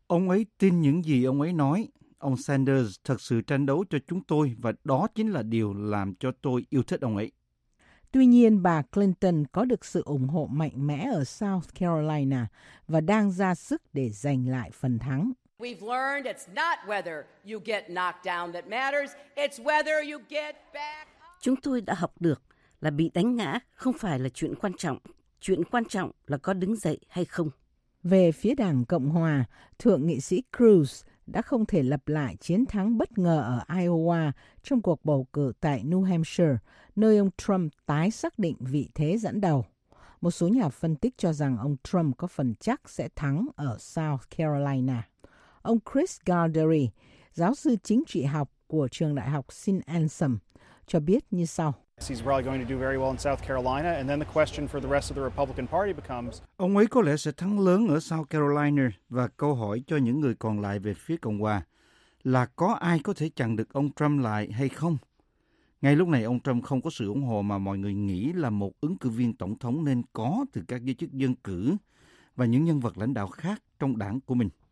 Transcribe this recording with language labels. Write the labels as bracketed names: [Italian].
[Vietnamese] Ông ấy tin những gì ông ấy nói. Ông Sanders thật sự tranh đấu cho chúng tôi và đó chính là điều làm cho tôi yêu thích ông ấy. Tuy nhiên, bà Clinton có được sự ủng hộ mạnh mẽ ở South Carolina và đang ra sức để giành lại phần thắng. [English] We've learned it's not whether you get knocked down that matters, it's whether you get back. [Vietnamese] Chúng tôi đã học được là bị đánh ngã không phải là chuyện quan trọng. Chuyện quan trọng là có đứng dậy hay không. Về phía đảng Cộng hòa, Thượng nghị sĩ Cruz đã không thể lập lại chiến thắng bất ngờ ở Iowa trong cuộc bầu cử tại New Hampshire, nơi ông Trump tái xác định vị thế dẫn đầu. Một số nhà phân tích cho rằng ông Trump có phần chắc sẽ thắng ở South Carolina. Ông Chris Gardery, giáo sư chính trị học của trường đại học St. Anselm, cho biết như sau. [English] He's probably going to do very well in South Carolina, and then the question for the rest of the Republican Party becomes. [Vietnamese] Ông ấy có lẽ sẽ thắng lớn ở South Carolina, và câu hỏi cho những người còn lại về phía Cộng hòa là có ai có thể chặn được ông Trump lại hay không? Ngay lúc này ông Trump không có sự ủng hộ mà mọi người nghĩ là một ứng cử viên tổng thống nên có từ các giới chức dân cử và những nhân vật lãnh đạo khác trong đảng của mình.